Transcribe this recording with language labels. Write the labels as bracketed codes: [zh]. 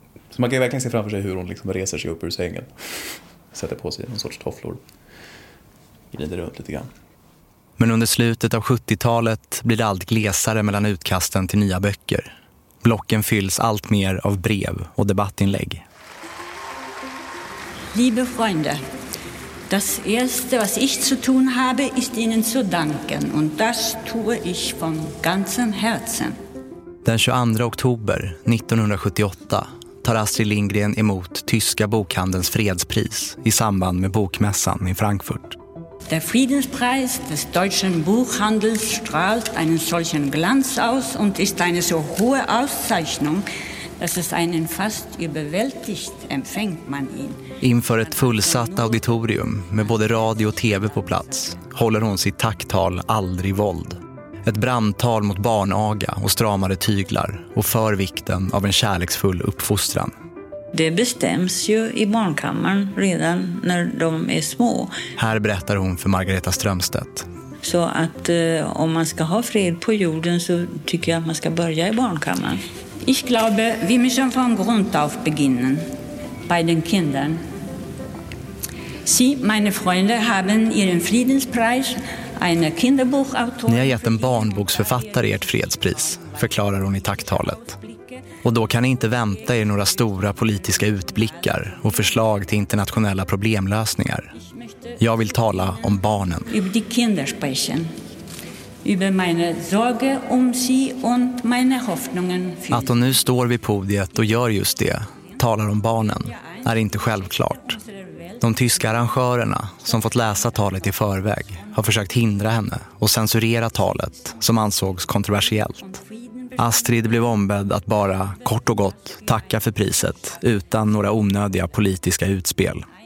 [sv] Så man kan ju verkligen se framför sig hur hon liksom reser sig upp ur sängen. Sätter på sig en sorts tofflor. Glider runt lite grann. Men under slutet av 70-talet blir det allt glesare mellan utkasten till nya böcker. Blocken fylls allt mer av brev och debattinlägg. [de] Liebe Freunde, das erste was ich zu tun habe ist Ihnen zu danken und das tue ich von ganzem Herzen. [sv] Den 22 oktober 1978 tar Astrid Lindgren emot tyska bokhandelns fredspris i samband med bokmässan i Frankfurt. [de] Der Friedenspreis des deutschen Buchhandels strahlt einen solchen Glanz aus und ist eine so hohe Auszeichnung, dass es einen fast überwältigt, empfängt man ihn. [sv] Inför ett fullsatt auditorium med både radio och tv på plats håller hon sitt tacktal Aldrig våld. Ett brandtal mot barnaga och stramare tyglar och för vikten av en kärleksfull uppfostran. Det bestäms ju i barnkammaren redan när de är små. Här berättar hon för Margareta Strömstedt. Så att om man ska ha fred på jorden så tycker jag att man ska börja i barnkammaren. [de] Ich glaube, wir müssen von Grund auf beginnen bei den Kindern. Sie, meine Freunde, haben ihren Friedenspreis, eine Kinderbuchautor. [sv] Ni har gett en barnboksförfattare ert fredspris, förklarar hon i tacktalet. Och då kan ni inte vänta er några stora politiska utblickar och förslag till internationella problemlösningar. Jag vill tala om barnen. [de] Über die Kinder sprechen. Über meine Sorge um sie und meine Hoffnungen. [sv] Att hon nu står vid podiet och gör just det, talar om barnen, är inte självklart. De tyska arrangörerna som fått läsa talet i förväg har försökt hindra henne och censurera talet som ansågs kontroversiellt. Astrid blev ombedd att bara, kort och gott, tacka för priset utan några onödiga politiska utspel.